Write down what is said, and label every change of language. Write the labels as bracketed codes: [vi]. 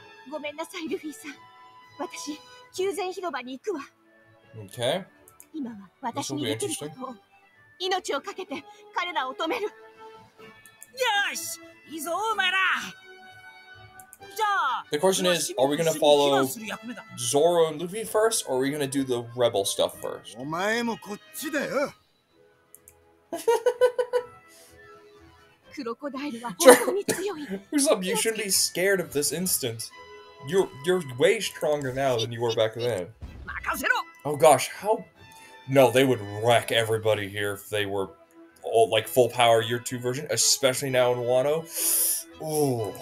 [ja] ごめんなさい、ルフィさん。私、休戦広場に行くわ。 [en] Okay. [ja] 今は私にできることを命をかけて彼らを止める。よし、いいぞ、お前ら。 [en] The question is, are we going to follow Zoro and Luffy first, or are we going to do the rebel stuff first? [ja] お前もこっちだよ。クロコダイルは本当に強い。 [en] What's up? You shouldn't be scared of this instant. You're way stronger now than you were back then. [ja] 任せろ。 [en] Oh gosh, how... No, they would wreck everybody here if they were all, like full power year 2 version, especially now in Wano. Oh.